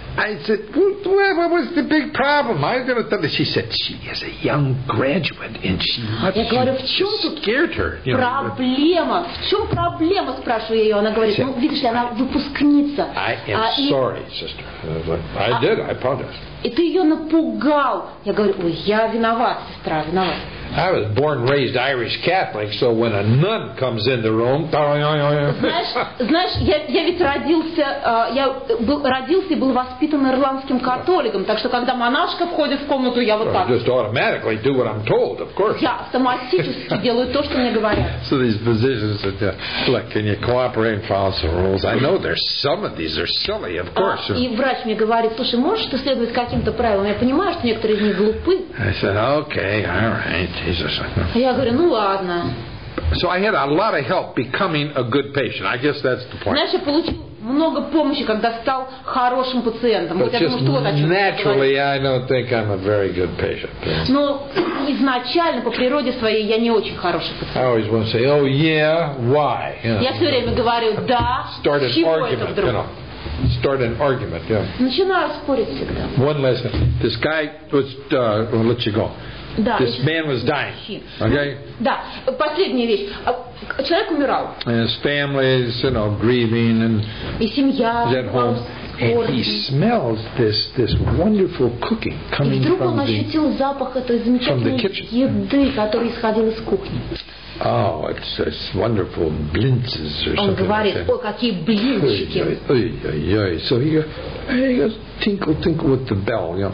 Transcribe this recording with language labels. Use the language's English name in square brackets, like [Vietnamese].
[English] I said, well, what was the big problem? I was going to tell her. She said, she is a young graduate and she just scared her. [Russian] Проблема. В чем проблема, спрашиваю ее. Она говорит, ну, видишь, она выпускница. [English] I am sorry, sister. I did, I apologize. [Russian] И ты ее напугал. Я говорю, ой, я виноват, сестра, виноват. [English] I was born and raised Irish Catholic, so when a nun comes in the room... [Russian] Знаешь, я ведь родился и был воспитан ирландским католиком, так что когда монашка входит в комнату, я вот так... [English] Just automatically do what I'm told, of course. [Russian] Я автоматически делаю то, что мне говорят. [English] So these physicians said, look, can you cooperate and follow some rules? I know there's some of these are silly, of course. [Russian] И врач мне говорит, слушай, можешь ты следовать каким-то правилам? Я понимаю, что некоторые из них глупы. [English] I said, okay, all right. Jesus. [Russian] Я говорю, ну ладно. [English] So I had a lot of help becoming a good patient. I guess that's the point. [Russian] Знаешь, я получил много помощи, когда стал хорошим пациентом. [English] But [Russian] вот [English] just naturally, I don't think I'm a very good patient. [Russian] Но изначально, по природе своей, я не очень хороший пациент. [English] I always want to say, oh yeah, why? [Russian] Я все время говорю, да, [English] start [Russian] чего [English] an argument, [Russian] это вдруг? [English] You know? Start an argument, yeah. [Russian] Начинаю спорить всегда. [English] One lesson. This guy was, I'll let you go. [Russian] Да, [English] this man was dying. Okay? [Russian] Да, последняя вещь. Человек умирал. [English] And his family is, you know, grieving and [Russian] и семья [English] is at home. And he smells this wonderful cooking coming from the [Russian] ощутил запах этой замечательной еды, которая исходила из кухни. [English] Oh, it's wonderful blintzes or something. [Russian] Он говорит, ой, какие блинчики. [English] So he goes tinkle tinkle with the bell, you know.